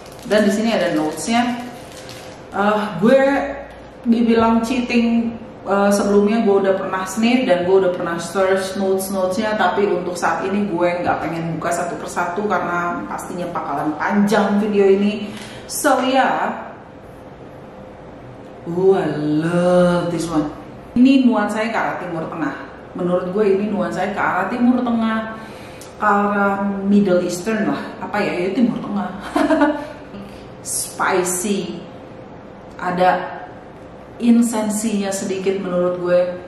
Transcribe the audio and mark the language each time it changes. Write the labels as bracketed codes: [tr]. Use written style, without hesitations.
[id] Dan di sini ada notes-nya. Gue dibilang cheating sebelumnya, gue udah pernah sniff dan gue udah pernah search notes-notesnya, tapi untuk saat ini gue nggak pengen buka satu persatu karena pastinya bakalan panjang video ini. [en] So yeah, ooh, I love this one. [id] Ini nuansanya ke arah Timur Tengah. Menurut gue ini nuansanya ke arah Timur Tengah, ke arah Middle Eastern lah. Apa ya, ya Timur Tengah. Spicy. Ada insensinya sedikit menurut gue.